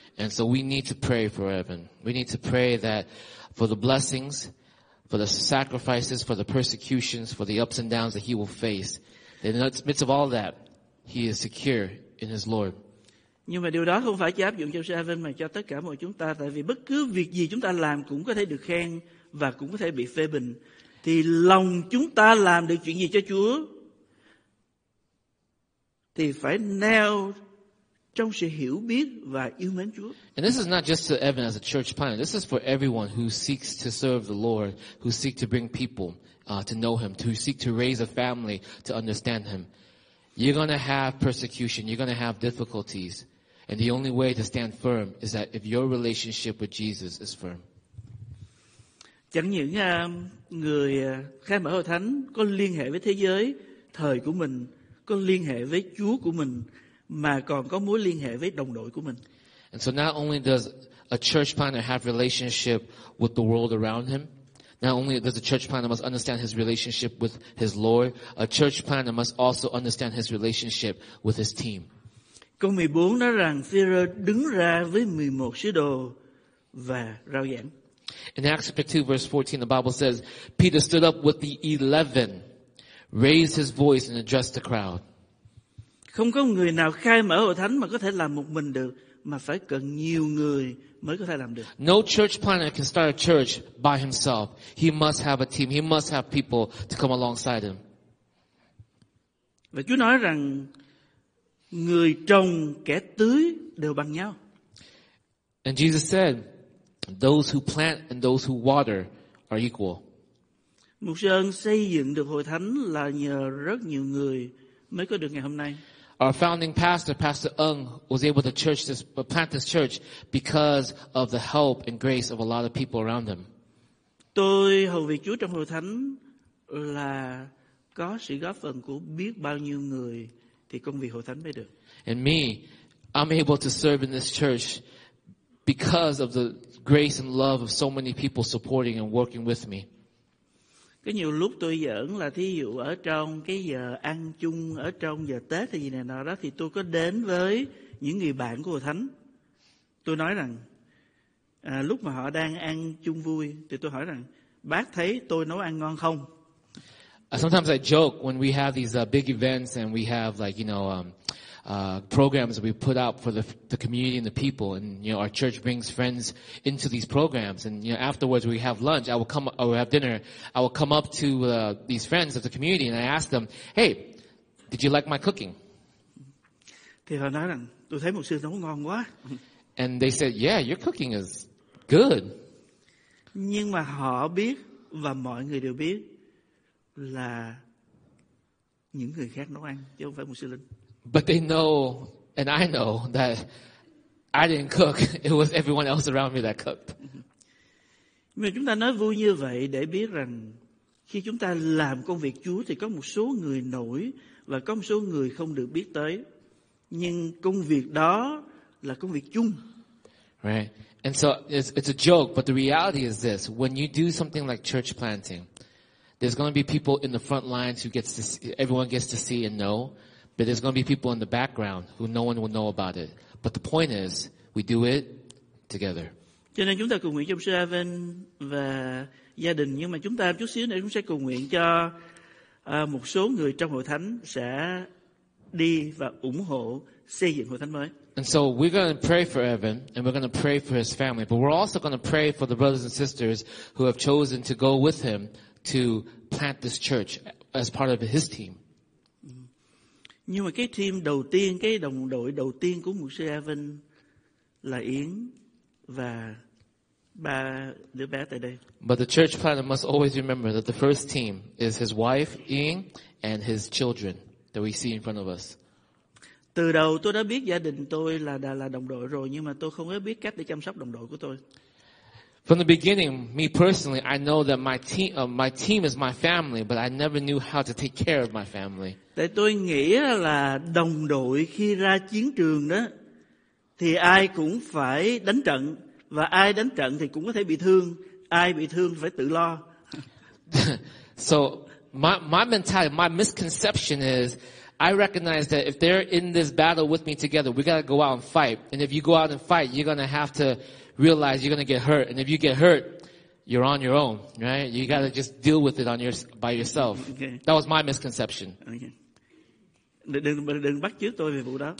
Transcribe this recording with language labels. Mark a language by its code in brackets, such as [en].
[en] And so we need to pray for Evan. We need to pray that for the blessings, for the sacrifices, for the persecutions, for the ups and downs that he will face, that in the midst of all that, he is secure in his Lord. [vi] Nhưng mà điều đó không phải chỉ áp dụng cho Seven mà cho tất cả mọi chúng ta, tại vì bất cứ việc gì chúng ta làm cũng có thể được khen và cũng có thể bị phê bình. Thì lòng chúng ta làm được chuyện gì cho Chúa thì phải neo trong sự hiểu biết và yêu mến Chúa. [en] And this is not just to Evan as a church planner. This is for everyone who seeks to serve the Lord, who seeks to bring people to know him, to seek to raise a family to understand him. You're going to have persecution, you're going to have difficulties, and the only way to stand firm is that if your relationship with Jesus is firm. [vi] Chẳng những người khai mở hội thánh có liên hệ với thế giới thời của mình, có liên hệ với Chúa của mình, mà còn có mối liên hệ với đồng đội của mình. [en] And so not only does a church planner have relationship with the world around him, not only does a church planner must understand his relationship with his Lord, a church planner must also understand his relationship with his team. [vi] Câu 14 nói rằng Phêrô đứng ra với 11 sứ đồ và rao giảng. [en] In Acts chapter 2 verse 14 the Bible says Peter stood up with the 11, raised his voice and addressed the crowd. [vi] Không có người nào khai mở hội thánh mà có thể làm một mình được, mà phải cần nhiều người mới có thể làm được. [en] No church planner can start a church by himself. He must have a team. He must have people to come alongside him. [vi] Và Chúa nói rằng người trồng kẻ tưới đều bằng nhau. [en] And Jesus said, those who plant and those who water are equal. [vi] Mục sư ơn xây dựng được hội thánh là nhờ rất nhiều người mới có được ngày hôm nay. [en] Our founding pastor, Pastor Ung, was able to church this, plant this church because of the help and grace of a lot of people around him. [vi] Tôi hầu việc Chúa trong hội thánh là có sự góp phần của biết bao nhiêu người thì công việc hội thánh mới được. [en] And me, I'm able to serve in this church because of the grace and love of so many people supporting and working with me. [vi] Có nhiều lúc tôi giỡn là thí dụ ở trong cái giờ ăn chung, ở trong giờ Tết hay gì này nọ đó, thì tôi có đến với những người bạn của Hội Thánh. Tôi nói rằng, lúc mà họ đang ăn chung vui, thì tôi hỏi rằng, bác thấy tôi nấu ăn ngon không? [en] Sometimes I joke when we have these big events and we have like, you know, programs that we put out for the community and the people, and you know our church brings friends into these programs, and you know afterwards we have lunch, I will come or we have dinner, I will come up to these friends of the community and I ask them, hey, did you like my cooking? [vi] Thì họ nói rằng tôi thấy mục sư nấu ngon quá. [en] And they said, yeah, your cooking is good. [vi] Nhưng mà họ biết và mọi người đều biết là những người khác nấu ăn chứ không phải mục sư Linh. [en] But they know, and I know, that I didn't cook. It was everyone else around me that cooked. [vi] Mà chúng ta nói vui như vậy để biết rằng khi chúng ta làm công việc Chúa thì có một số người nổi và có một số người không được biết tới. Nhưng công việc đó là công việc chung. [en] Right. And so it's a joke, but the reality is this. When you do something like church planting, there's going to be people in the front lines who gets to see, everyone gets to see and know. But there's going to be people in the background who no one will know about it. But the point is, we do it together. [vi] Cho nên chúng ta cùng nguyện cho Sư Evan và gia đình. Nhưng mà chúng ta chút xíu nữa chúng sẽ cùng nguyện cho một số người trong hội thánh sẽ đi và ủng hộ xây dựng hội thánh mới. [en] And so we're going to pray for Evan and we're going to pray for his family. But we're also going to pray for the brothers and sisters who have chosen to go with him to plant this church as part of his team. [vi] Nhưng mà cái team đầu tiên, cái đồng đội đầu tiên của mục sư Evan là Yến và ba đứa bé tại đây. [en] But the church planner must always remember that the first team is his wife, Yến, and his children that we see in front of us. [vi] Từ đầu tôi đã biết gia đình tôi là đồng đội rồi, nhưng mà tôi không có biết cách để chăm sóc đồng đội của tôi. [en] From the beginning, me personally, I know that my team is my family, but I never knew how to take care of my family. [vi] Tại tôi nghĩ là đồng đội khi ra chiến trường đó, thì ai cũng phải đánh trận, và ai đánh trận thì cũng có thể bị thương, ai bị thương phải tự lo. [en] So, my mentality, my misconception is, I recognize that if they're in this battle with me together, we gotta go out and fight. And if you go out and fight, you're gonna have to realize you're gonna get hurt. And if you get hurt, you're on your own, right? You gotta just deal with it by yourself. Okay. That was my misconception. Okay. [vi] Đừng bắt chước tôi về vụ đó.